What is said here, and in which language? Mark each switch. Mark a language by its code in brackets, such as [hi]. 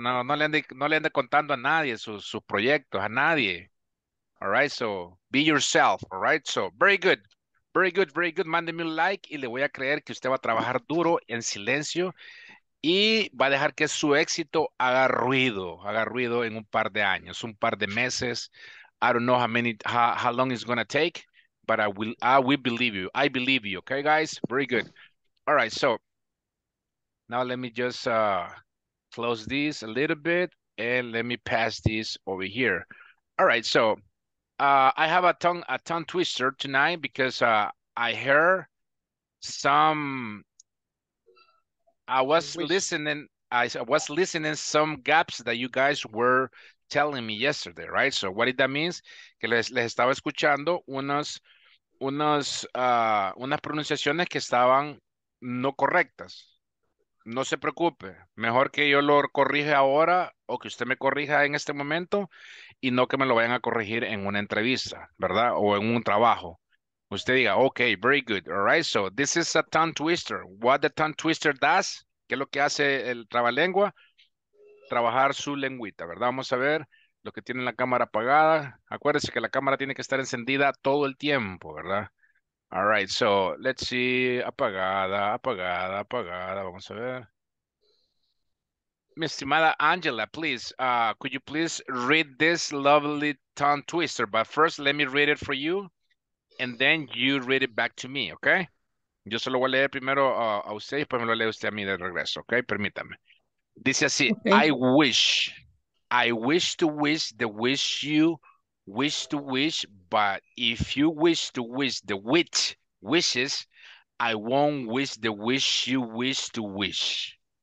[es] No, no le ande contando a nadie sus proyectos, a nadie. [en] All right, so be yourself, all right? So very good, very good, very good. [es] Mándeme un like y le voy a creer que usted va a trabajar duro en silencio y va a dejar que su éxito haga ruido en un par de años, un par de meses. [en] I don't know how long it's going to take, but I will believe you. I believe you, okay, guys? Very good. All right, so now let me just close this a little bit and let me pass this over here. All right, so I have a tongue twister tonight because I heard some. I was listening some gaps that you guys were telling me yesterday, right? So what did that mean? [es] Que les estaba escuchando unas pronunciaciones que estaban no correctas. No se preocupe. Mejor que yo lo corrija ahora o que usted me corrija en este momento y no que me lo vayan a corregir en una entrevista, ¿verdad? O en un trabajo. Usted diga, [en] okay, very good. All right, so this is a tongue twister. What the tongue twister does [es] ¿Qué es lo que hace el trabalengua? Trabajar su lengüita, ¿verdad? Vamos a ver lo que tiene la cámara apagada. Acuérdense que la cámara tiene que estar encendida todo el tiempo, ¿verdad? [en] All right, so let's see. [es] Apagada, apagada, apagada. Vamos a ver. Mi estimada [en] Angela, please, could you please read this lovely tongue twister? But first, let me read it for you, and then you read it back to me, okay? [es] Yo solo voy a leer primero a usted y después me lo lee usted a mí de regreso, okay? Permítame. Dice así, okay. [en] I wish to wish the wish you wish to wish, but if you wish to wish the which wishes, I won't wish the wish you wish to wish.